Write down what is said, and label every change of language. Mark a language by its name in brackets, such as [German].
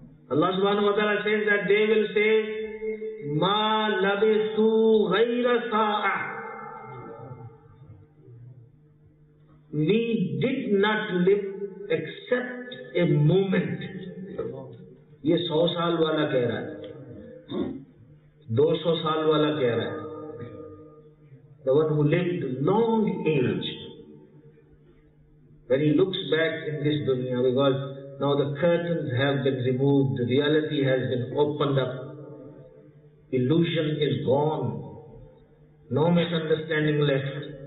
[English] Allah subhanahu wa ta'ala says that they will say, [Arabic] Ma labithu ghayra sa'a. [English] We did not live except a moment. [Hindi] ये 100 साल वाला कह रहा है 200 साल वाला कह रहा है [English] the one who lived long age, when he looks back in this dunya, because now the curtains have been removed, the reality has been opened up, illusion is gone, no misunderstanding left.